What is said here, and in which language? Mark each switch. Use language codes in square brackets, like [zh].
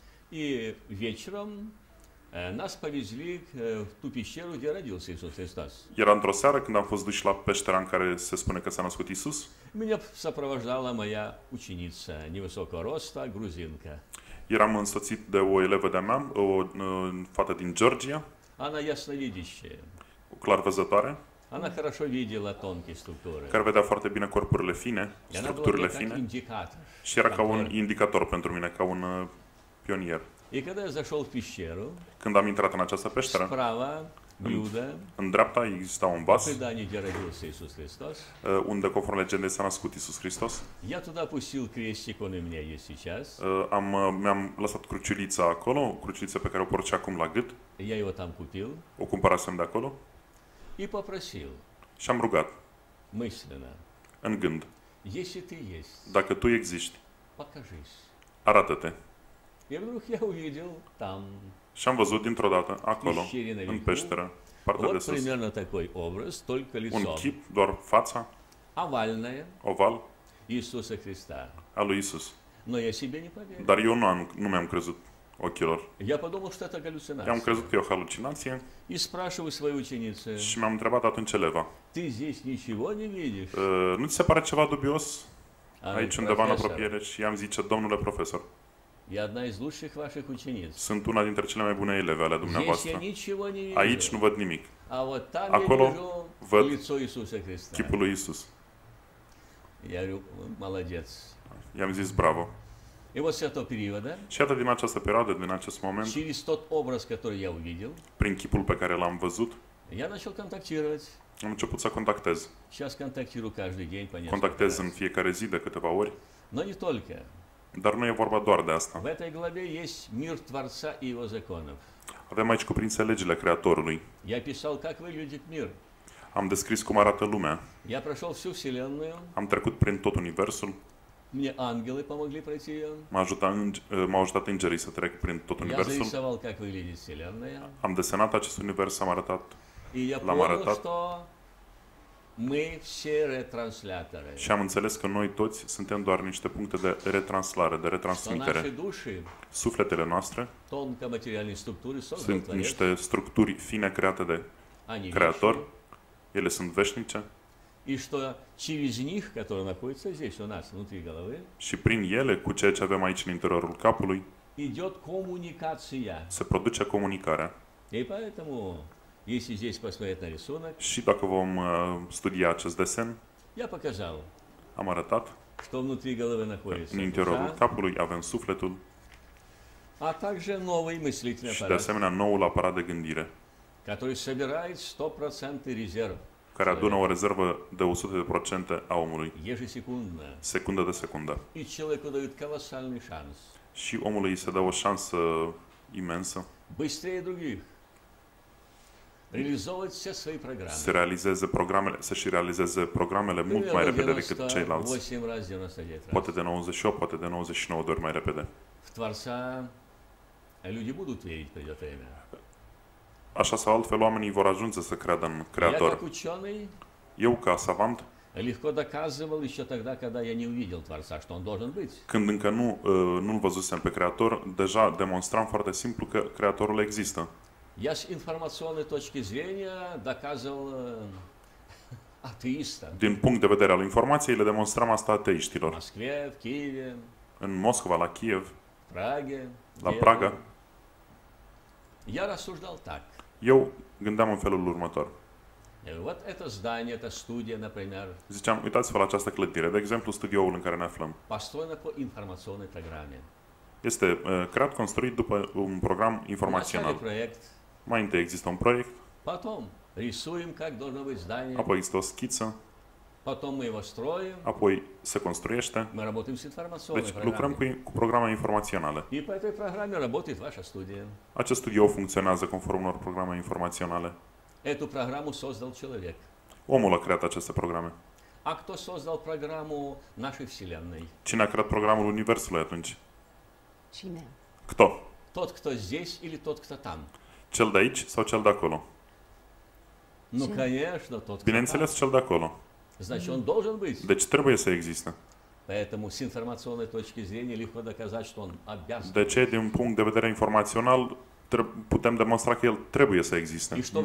[ru] И вечером нас повезли в ту пещеру, где родился Иисус Христос. [ro] Era într-o seară când am fost duși la peștera în care se spune că s-a născut Iisus. [ru] Меня сопровождала моя ученица, невысокого роста, грузинка. [ro] Eram însoțit de o elevă de-a mea, o fată din Georgia. [ru] Она ясновидящая. [ro] Clarvăzătoare. [ru] Она хорошо видела тонкие структуры. [ro] Care vedea foarte bine corpurile fine, structurile fine. Și era ca un indicator pentru mine, ca un pionier. [ru] И когда я зашел в пещеру, [ro] când am intrat în această peșteră, [ru] справа, блюдо, [ro] în dreapta exista un vas, [ru] предание, где родился Иисус Христос, [ro] unde, conform legendei, s-a născut Iisus Hristos. [ru] Я туда опустил крестик, он у меня есть сейчас. [ro] Mi-am lăsat cruciulița acolo, cruciulița pe care o porți acum la gât. [ru] Я его там купил. [ro] O cumpărasem de acolo. [ru] И попросил. [ro] Și am rugat. [ru] Мысленно. [ro] În gând. [ru] Если ты есть. [ro] Dacă tu existi. [ru] Покажись. [ro] Arată-te. [ru] И вдруг я увидел там. [ro] Și am văzut dintr-o dată acolo, în peșteră, partea [ru] вот [ro] de sus. [ru] Примерно такой образ, только лицо. [ro] Un chip, doar fața. [ru] Овальное. Овал. Иисуса Христа. [ro] A lui Iisus. [ru] Но я себе не поверил. [ro] Dar eu nu mi-am crezut ochilor. [ru] Я подумал, что это галлюцинация. [ro] Am crezut că e o halucinație. [ru] И спрашиваю свою ученицу. [ro] Și m-am întrebat atunci eleva. [ru] Ты здесь ничего не видишь? [ro] Nu ți se pare ceva dubios? Aici undeva în apropiere. Și i-am zis, domnule profesor. [ru] Я одна из лучших ваших учениц. [ro] Sunt una dintre cele mai bune eleve ale dumneavoastră. [ru] Здесь я ничего не вижу. [ro] Aici nu văd nimic. [ru] А вот там [ro] acolo [ru] я вижу лицо Иисуса Христа. [ro] Chipul lui Iisus. [ru] Я говорю, молодец. [ro] I-am zis, bravo. [ru] И вот с этого периода. [ro] Și atât din această perioadă, din acest moment. [ru] Через тот образ, который я увидел. [ro] Prin chipul pe care l-am văzut. [ru] Я начал контактировать. [ro] Am început să contactez. [ru] Сейчас контактирую каждый день, понятно. [ro] Контактез în fiecare zi de câteva ori. [ru] Но не только. [ro] Dar nu e vorba doar de asta. [ru] В этой главе есть мир Творца и его законов. [ro] Avem aici cuprinse legile Creatorului. [ru] Я писал, как выглядит мир. [ro] Am descris cum arată lumea. [ru] Я прошел всю вселенную. [ro] Am trecut prin tot universul. [ru] Мне ангелы помогли пройти. [ro] M-a ajutat îngerii să trec prin tot universul. [ru] Я зарисовал, как выглядит вселенная. [ro] Am desenat acest univers, am arătat. [ru] И я понял, что мы все ретранслятори. [ro] Și am înțeles că noi toți suntem doar niște puncte de retranslare, de retransmitere. [ru] Наши души, [ro] sufletele noastre, [ru] тонко материальные структуры, [ro] sunt niște structuri fine create de Creator. Ele sunt veșnice. [ru] И что через них, которые находятся здесь у нас внутри головы? [ro] Și prin ele, cu ceea ce avem aici în interiorul capului, [ru] идёт комуникация. [ro] Se produce comunicarea. [ru] И поэтому если здесь посмотреть на рисунок, [ro] și dacă vom studia acest desen, [ru] я показал, [ro] am arătat, [ru] что внутри головы находится. [ro] În interiorul capului avem sufletul, [ru] а также новый мыслительный [ro] aparat, și de asemenea noul aparat de gândire, [ru] который собирает 100% резерв, [ro] care adună o rezervă de 100% a omului, [ru] ежесекундно, [ro] secundă de secundă, [ru] и человеку дают колоссальный шанс, [ro] și omului îi se dă o șansă imensă, [ru] быстрее других. Реализовать все свои программы. [ro] Să realizeze programele, să-și realizeze programele mult mai repede decât ceilalți. [ru] 8 раз, 99 раз. [ro] Poate de 98, poate de 99 de ori mai repede. [ru] В Творца люди будут верить, придет время. [ro] Așa sau altfel, oamenii vor ajunge să creadă în Creator. [ru] Я как ученый, [ro] Eu ca savant. [ru] Легко доказывал еще тогда, когда я не увидел Творца, что он должен быть. [ro] Când încă nu văzusem pe Creator, deja demonstram foarte simplu că Creatorul există. [ru] Я с информационной точки зрения доказывал атеистам. [ro] Din punct de vedere al informației, le demonstram asta ateiștilor. [ru] В Москве, в Киеве. [ro] În Moscova, la Kiev. [ru] В Праге. [ro] La Praga. [ru] Я рассуждал так. [ro] Eu gândeam în felul următor. [ru] Вот это здание, эта студия, например. [ro] Ziceam, uitați-vă la această clădire, de exemplu, studioul în care ne aflăm. [ru] Построено по информационной программе. [ro] Este creat, construit după un program informațional. Mai întâi există un proiect. [ru] Потом рисуем, как должно быть здание. [ro] Apoi există o schiță. [ru] Потом мы его строим. [ro] Apoi se construiește. [ru] Мы работаем с информационной программой. [ro] Deci lucrăm cu programe informaționale. [ru] И по этой программе работает ваша студия. [ro] Acest studio funcționează conform unor programe informaționale. [ru] Эту программу создал человек. [ro] Omul a creat aceste programe. [ru] А кто создал программу нашей вселенной? [ro] Cine a creat programul Universului atunci? Cine? [ru] Кто? Тот, кто здесь или тот, кто там? [ro] Cel de aici sau cel de acolo? [ru] Ну, конечно, тот, кто. [ro] Bineînțeles, cel de acolo. [ru] Значит, он должен быть. [ro] Deci trebuie să existe. [ru] Поэтому с информационной точки зрения легко доказать, что он обязан. [ro] De ce, din punct de vedere informațional, putem demonstra că el trebuie să existe.